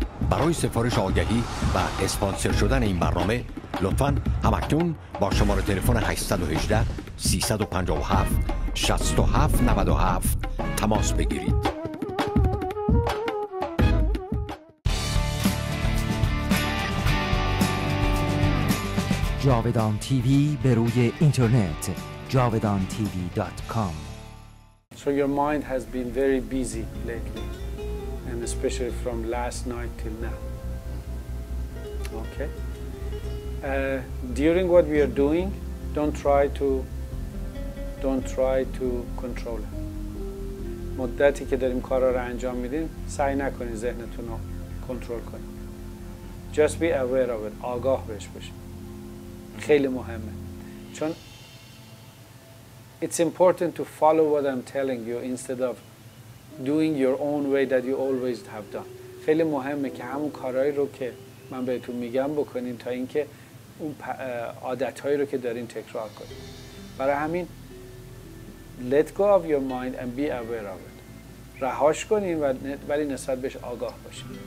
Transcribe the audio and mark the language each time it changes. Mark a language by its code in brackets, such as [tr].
[fa] برای سفارش آگهی و اسپانسر شدن این برنامه لطفاً همکنون با شماره تلفن 818-357-6797 تماس بگیرید. جاودان تیوی به روی اینترنت javedantv.com. [en] So your mind has been very busy lately. And especially from last night till now. Okay. During what we are doing, don't try to control it. [fa] مدتی که داریم کارا رو انجام میدیم، سعی نکنید ذهنتون رو کنترل کنید. [en] Just be aware of it. [fa] آگاه بهش باشید. خیلی مهمه. چون [en] it's important to follow what I'm telling you instead of doing your own way that you always have done. [fa] خیلی مهمه که همون کارهایی رو که من بهتون میگم بکنین تا اینکه اون عادتهایی رو که دارین تکرار کنین. برای همین [en] let go of your mind and be aware of it. [fa] رهاش کنین ولی نسبت بهش آگاه باشین.